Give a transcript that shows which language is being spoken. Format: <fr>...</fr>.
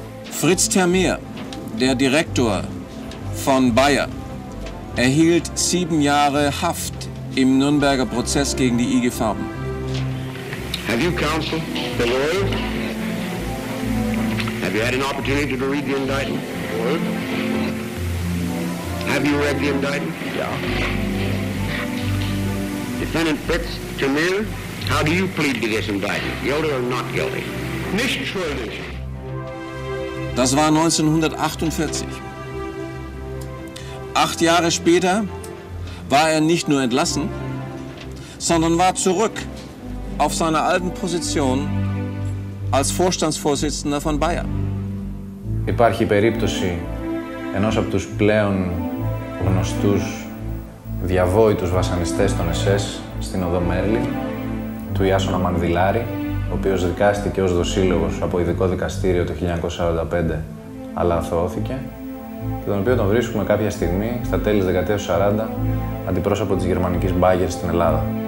<de>Fritz Termeer, der Direktor von Bayer, erhielt 7 Jahre Haft im Nürnberger Prozess gegen die IG Farben.</de> <en>Have you counseled the lawyer? Have you had an opportunity to read the indictment? Lawyer? Have you read the indictment? Yeah. Defendant Fritz Termeer, how do you plead to this indictment? Guilty or not guilty?</en> <de>Nicht schuldig. Das war 1948. 8 Jahre später war er nicht nur entlassen, sondern war zurück auf seiner alten Position als Vorstandsvorsitzender von Bayer.</de> <el>Υπάρχει περίπτωση ενός από τους πλέον γνωστούς διαβόητους βασανιστές των SS στην Οδό Μέρλη, του Ιάσονα Μανδυλάρη, ο οποίος δικάστηκε ως δοσίλογος από ειδικό δικαστήριο το 1945, αλλά αθωώθηκε, και τον οποίο τον βρίσκουμε κάποια στιγμή, στα τέλη της δεκαετίας του 40, αντιπρόσωπο της γερμανικής Bayer στην Ελλάδα.</el>